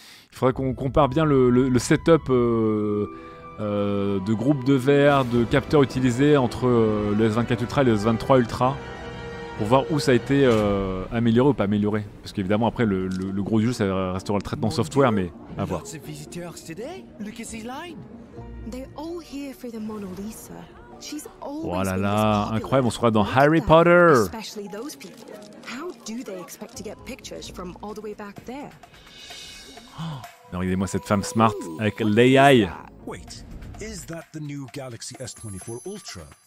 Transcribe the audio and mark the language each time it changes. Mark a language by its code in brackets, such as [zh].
[fr] Il faudrait qu'on compare bien le setup de groupe de verre, de capteurs utilisés entre le S24 Ultra et le S23 Ultra pour voir où ça a été amélioré ou pas amélioré. Parce qu'évidemment, après, le gros du jeu, ça restera le traitement software, mais à voir. [en] Lots of visitors today. Look at this line. They're all here for the Mona Lisa. She's always... [fr] Oh là là, incroyable, on sera dans Harry Potter. [en] Especially those people. How do they expect to get pictures from all the way back there? [fr] Oh, regardez-moi cette femme smart avec l'AI. [en] Wait, is that the new Galaxy S24 Ultra?